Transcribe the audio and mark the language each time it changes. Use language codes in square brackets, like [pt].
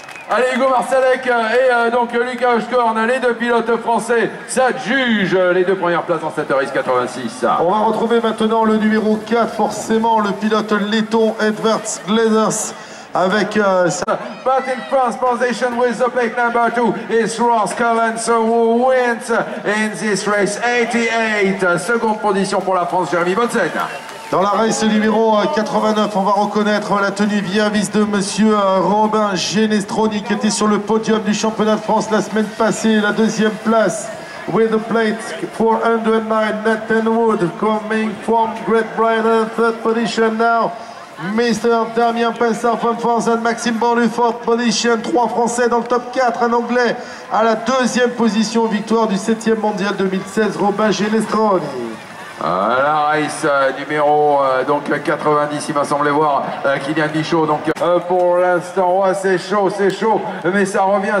[fr] Allez, Hugo Marsalek et donc Lucas Hochkorn, les deux pilotes français, s'adjugent les deux premières places dans cette race 86. On va retrouver maintenant le numéro 4, forcément, le pilote letton Edvard Gleizers. Avec [en] but in first position with the plate number 2 is Ross Collins who wins in this race 88. [fr] Seconde position pour la France, Jérémy Bonsen. Dans la race numéro 89, on va reconnaître la tenue via vis de monsieur Robin Genestroni qui était sur le podium du championnat de France la semaine passée, la deuxième place. [en] With the plate 409, Nathan Wood coming from Great Britain, third position now. Mr. Damien Pinsard from France and Maxime Bourdieu, fourth position. [fr] Trois Français dans le top 4, un Anglais à la deuxième position, victoire du 7e mondial 2016, Robin Genestroni. La race numéro donc 90, il m'a semblé voir Kylian Michaud. Donc pour l'instant, ouais, c'est chaud, mais ça revient.